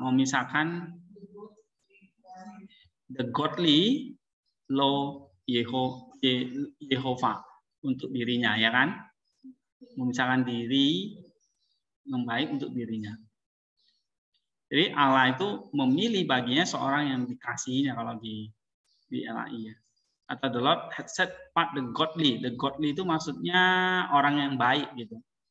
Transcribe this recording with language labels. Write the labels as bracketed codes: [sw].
[id] Memisahkan the godly lo Yehova untuk dirinya, ya kan? Memisahkan diri yang baik untuk dirinya. Jadi Allah itu memilih baginya seorang yang dikasihinya kalau di LAI ya. [en] Atau the Lord had set apart the godly. [id] The godly itu maksudnya orang yang baik gitu.